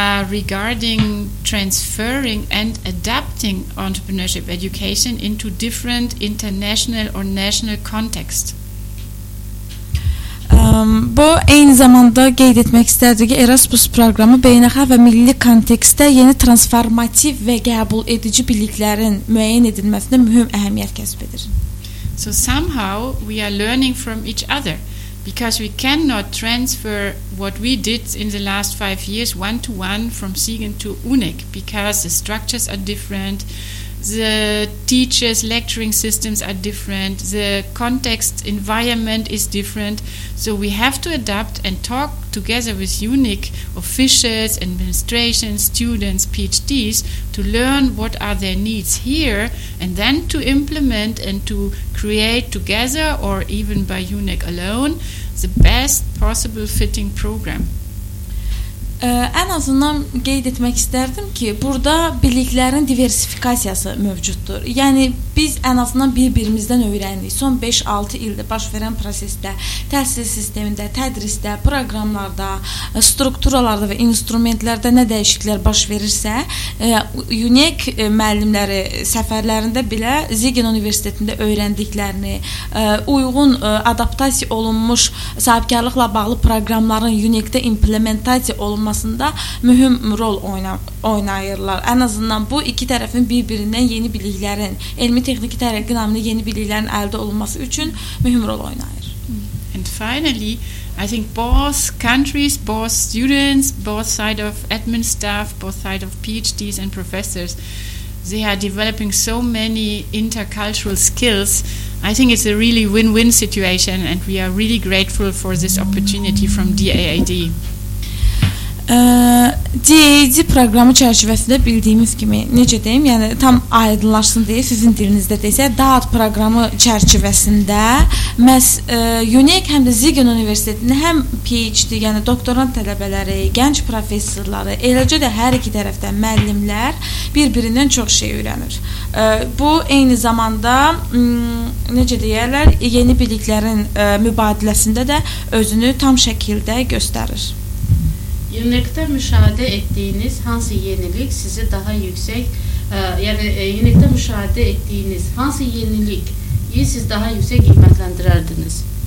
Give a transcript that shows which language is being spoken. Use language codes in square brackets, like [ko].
[en] regarding transferring and adapting entrepreneurship education into different international or national contexts. [az] Bu eyni zamanda qeyd etmək istərdim ki, Erasmus proqramı beynəlxalq və milli kontekstdə yeni transformativ və qəbul edici biliklərin müəyyən edilməsində mühüm əhəmiyyət kəsb edir. [en] So somehow we are learning from each other because we cannot transfer what we did in the last 5 years one to one from Siegen to UNIC because the structures are different. The teachers' lecturing systems are different. The context environment is different. So we have to adapt and talk together with UNIC officials, administration, students, PhDs to learn what are their needs here and then to implement and to create together or even by UNIC alone the best possible fitting program. [az] Ən azından qeyd etmək istərdim ki, burada biliklərin diversifikasiyası mövcuddur. Yəni, biz ən azından bir-birimizdən öyrəndik. Son 5-6 ildə baş verən prosesdə, təhsil sistemində, tədrisdə, proqramlarda, strukturalarda və instrumentlərdə nə dəyişikliklər baş verirsə, UNIC müəllimləri səfərlərində belə Siegen Universitetində öyrəndiklərini, uyğun adaptasiya olunmuş sahibkarlıqla bağlı proqramların UNIC-də implementasiya olunmuş olmasında mühüm rol oynayırlar. Ən azından bu iki tərəfin bir-birindən yeni biliklərin, elmi-texniki tərəqqi naminə yeni biliklərin əldə olunması üçün mühüm rol oynayır. [en] And finally, I think both countries, both students, both side of admin staff, both side of PhDs and professors, they are developing so many intercultural skills. I think it's a really win-win situation and we are really grateful for this opportunity from DAAD. [az] DAAD proqramı çərçivəsində bildiyimiz kimi, necə deyim, yəni tam aydınlaşsın deyə sizin dilinizdə desə, DAAD proqramı çərçivəsində məhz UNIC həm də Siegen Universitetinin həm PhD, yəni doktorant tələbələri, gənc professorları, eləcə də hər iki tərəfdən müəllimlər bir-birindən çox şey öyrənir. Bu, eyni zamanda, necə deyərlər, yeni biliklərin mübadiləsində də özünü tam şəkildə göstərir. UNIC'de müşahede ettiğiniz hangi yenilik sizi daha yüksek yani UNIC'de müşahede ettiğiniz hangi yenilik siz daha yüksek kıymetlendirirdiniz?